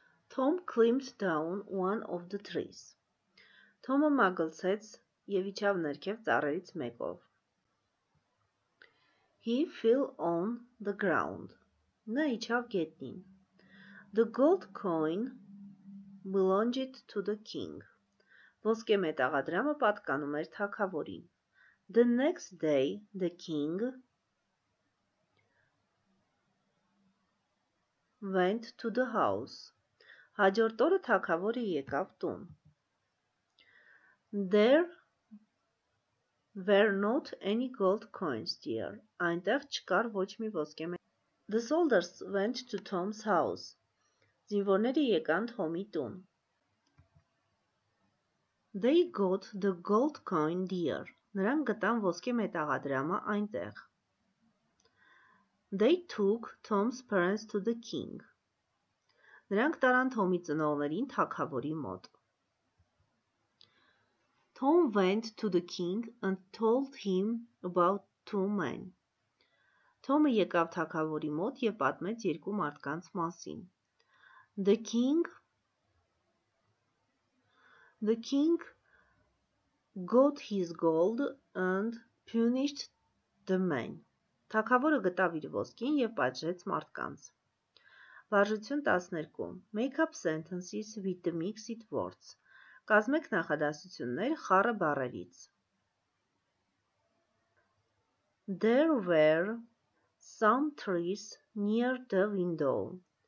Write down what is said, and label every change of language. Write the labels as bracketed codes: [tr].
[en] Tom climbed down one of the trees. [hy] Tom-ը մագլցեց եւ իջավ ներքև ծառերից մեկով. [en] He fell on the ground. [hy] Նա իջավ գետնին. [en] The gold coin belonged to the king. [hy] Ոսկե մետաղադրամը պատկանում էր թագավորին. [en] The next day the king went to the house. [hy] Հաջորդ օրը թագավորը եկավ տուն. [en] There were not any gold coins dear. [hy] Այնտեղ չկար ոչ մի ոսկե մետաղադրամ. [en] The soldiers went to Tom's house. [hy] Զինվորները եկան Թոմի տուն. [en] They got the gold coin dear. [hy] Նրանք գտան ոսկե մետաղադրամը այնտեղ. [en] They took Tom's parents to the king. [hy] Նրանք տարան Թոմի ծնողներին թագավորի մոտ. [en] Tom went to the king and told him about two men. [hy] Թոմը եկավ թագավորի մոտ եւ պատմեց երկու մարդկանց մասին. [en] The king got his gold and punished the men. [hy] Թագավորը գտավ իր ոսկին եւ պատժեց մարդկանց. Վարժություն 12. [en] Make up sentences with the mixed words. [hy] Կազմեք նախադասություններ խառը բառերից. [en] There were some trees near the window.